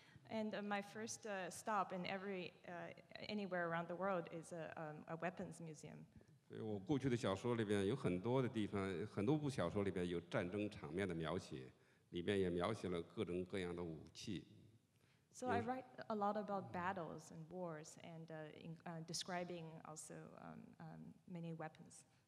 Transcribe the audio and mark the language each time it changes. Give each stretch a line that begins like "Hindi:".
English: And my first stop in every anywhere around the world is a weapons museum.
Chinese: 所以我过去的小说里边有很多的地方，很多部小说里边有战争场面的描写，里面也描写了各种各样的武器。
English: So I write a lot about battles and wars and describing also many weapons.